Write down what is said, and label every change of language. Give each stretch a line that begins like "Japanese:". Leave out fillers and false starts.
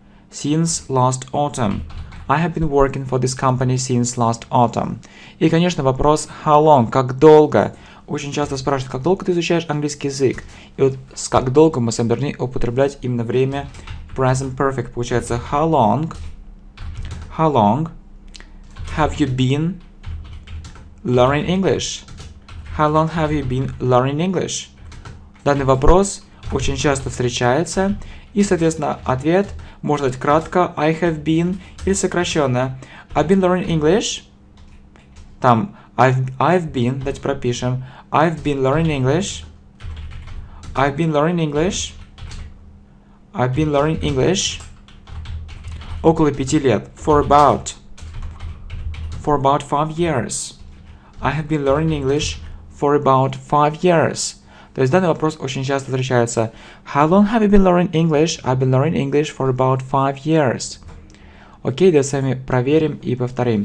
English: Since last autumn. I have been working for this company since last autumn.
Russian: И, конечно, вопрос
English: how long?
Russian: Как долго? Очень часто спрашивают, как долго ты изучаешь английский язык? И вот с как долго мы с вами должны употреблять именно время present perfect. Получается,
English: how long have you been learning English? How long have you been learning English?
Russian: Данный вопрос очень часто встречается. И, соответственно, ответ может быть кратко
English: I have been
Russian: или сокращенно
English: I've been learning English.
Russian: Там
English: I've been,
Russian: давайте пропишем.
English: I've been learning English. I've been learning English. I've been learning English.
Russian: Около 5 лет.
English: For about 5 years. I have been learning English for about 5 years.
Russian: То есть данный вопрос очень часто встречается.
English: How long have you been learning English? I've been learning English for about 5 years.
Russian: Окей, давайте с вами проверим и повторим.